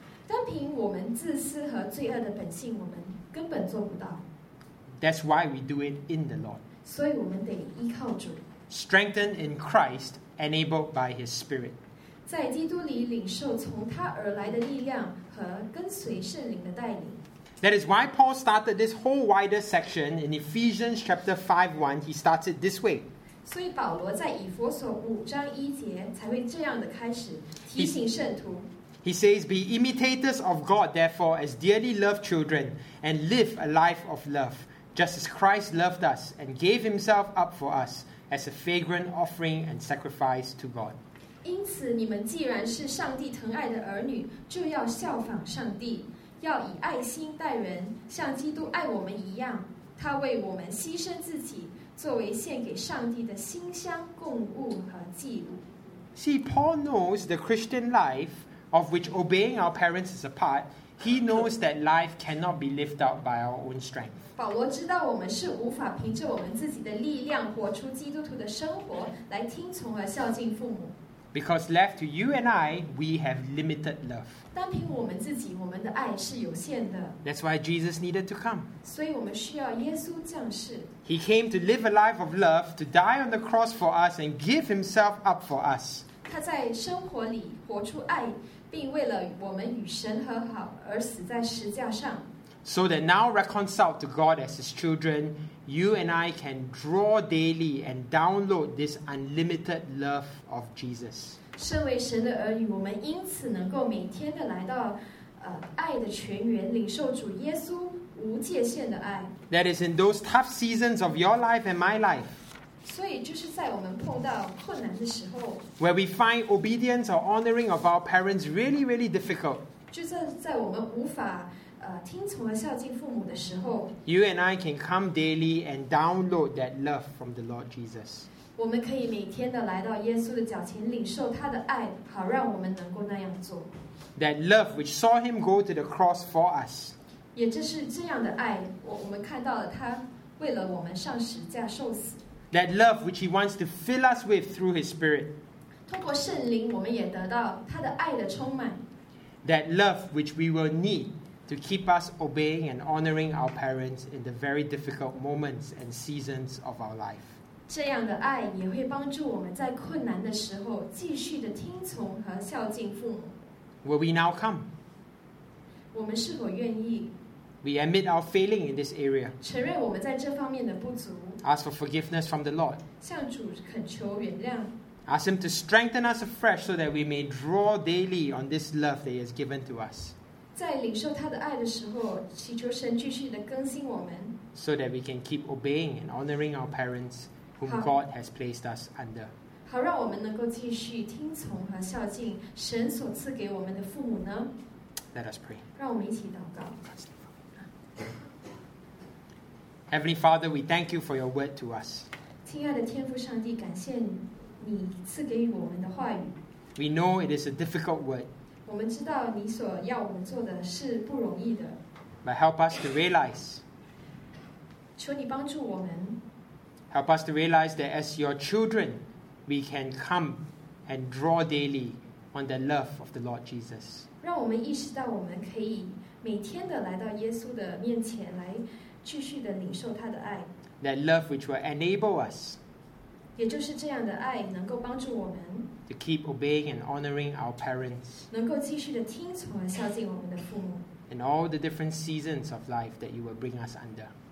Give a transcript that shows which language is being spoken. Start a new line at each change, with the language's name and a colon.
Chinese: 单凭我们自私和罪恶的本性，我们根本做不到。
English: That's why we do it in the Lord.
Chinese: 所以我们得依靠主。
English: Strengthened in Christ, enabled by His Spirit.
Chinese: 在基督里领受从他而来的力量和跟随圣灵的带领。
English: That is why Paul started this whole wider section in Ephesians chapter 5:1. He starts it this way.
Chinese: 所以保罗在以弗所五章一节才会这样的开始提醒圣徒。
English: He says, be imitators of God, therefore, as dearly loved children, and live a life of love, just as Christ loved us and gave himself up for us as a fragrant offering and sacrifice to God.
Chinese: 因此你们既然是上帝疼爱的儿女，就要效仿上帝，要以爱心待人，像基督爱我们一样，他为我们牺牲自己，作为献给上帝的馨香供物和祭物。
English: See, Paul knows the Christian life, of which obeying our parents is a part. He knows that life cannot be lived out by our own strength.
Chinese: 保罗知道我们是无法凭着我们自己的力量活出基督徒的生活，来听从和孝敬父母。
English: Because left to you and I, we have limited love.
Chinese: 单凭我们自己，我们的爱是有限的。
English: That's why Jesus needed to come.
Chinese: 所以我们需要耶稣降世。
English: He came to live a life of love, to die on the cross for us, and give himself up for us.
Chinese: 他在生活里活出爱，并为了我们与神和好而死在十架上。
English: So that now reconciled to God as his children, you and I can draw daily and download this unlimited love of Jesus.
Chinese: 身为神的儿女，我们因此能够每天的来到爱的泉源，领受主耶稣无界限的爱。
English: That is in those tough seasons of your life and my life.
Chinese: 所以就是在我们碰到困难的时候，
English: where we find obedience or honoring of our parents really, really difficult.
Chinese: 就是在我们无法听从和孝敬父母的时候，
English: you and I can come daily and download that love from the Lord Jesus.
Chinese: 我们可以每天的来到耶稣的脚前，领受他的爱，好让我们能够那样做。
English: That love which saw him go to the cross for us.
Chinese: 也就是这样的爱，我们看到了他为了我们上十架受死。
English: That love which he wants to fill us with through his spirit.
Chinese: 通过圣灵，我们也得到他的爱的充满。
English: That love which we will need. To keep us obeying and honoring our parents in the very difficult moments and seasons of our life.
Chinese: 这样的爱也会帮助我们在困难的时候继续的听从和孝敬父母。
English: Will we now come?
Chinese: 我们是否愿意？
English: We admit our failing in this area.
Chinese: 承认我们在这方面的不足。
English: Ask for forgiveness from the Lord.
Chinese: 向主恳求原谅。
English: Ask him to strengthen us afresh so that we may draw daily on this love that he has given to us.
Chinese: 在领受他的爱的时候，祈求神继续的更新我们。
English: So that we can keep obeying and honoring our parents, whom God has placed us under.
Chinese: 好，让我们能够继续听从和孝敬神所赐给我们的父母呢。
English: Let us pray.
Chinese: 让我们一起祷告。
English: Heavenly Father, we thank you for your word to us.
Chinese: 亲爱的天父上帝，感谢你赐给我们的话语。
English: We know it is a difficult word.
Chinese: 我们知道你所要我们做的是不容易的。
English: But help us to realize.
Chinese: 求你帮助我们。
English: Help us to realize that as your children, we can come and draw daily on the love of the Lord Jesus.
Chinese: 让我们意识到我们可以每天的来到耶稣的面前，来继续的领受他的爱。
English: That love which will enable us.
Chinese: 也就是这样的爱能够帮助我们。
English: To keep obeying and honoring our parents.
Chinese: 能够继续的听从和孝敬我们的父母。
English: In all the different seasons of life that you will bring us under.